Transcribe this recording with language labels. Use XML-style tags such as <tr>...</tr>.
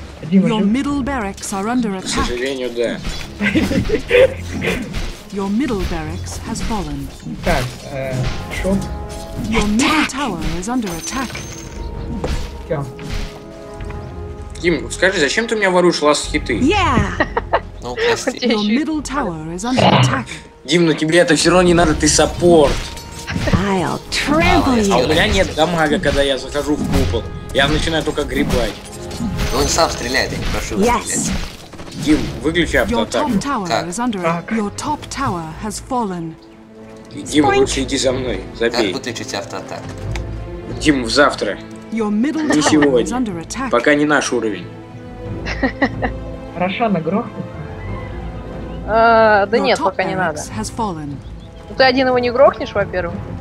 <en>Your middle barracks are under attack.</en> <ru>К сожалению, да.</ru> <en>Your middle barracks has fallen.</en> <ru>Так, что?</ru> <en>Your middle tower is under attack.</en> <ru>Дим, скажи, зачем ты у меня воруешь ласт-хиты?</ru> <en>Your middle tower is under attack.</en> <ru>Дим, но тебе это все равно не надо, ты саппорт.</ru> <en>I'll trample you.</en> <ru>А у меня нет дамага, когда я захожу в купол. Я начинаю только грибать. Он сам стреляет, я не прошу его стрелять. Дим, выключи автоатаку. Как?</ru> <en>Your top tower has fallen.</en> <ru>Дима, лучше иди за мной, забей. Как выключить автоатак? Дим, завтра. Не сегодня. Пока не наш уровень. Хорошо, на грох. Да нет, пока не надо. Ну ты один его не грохнешь, во-первых.</ru>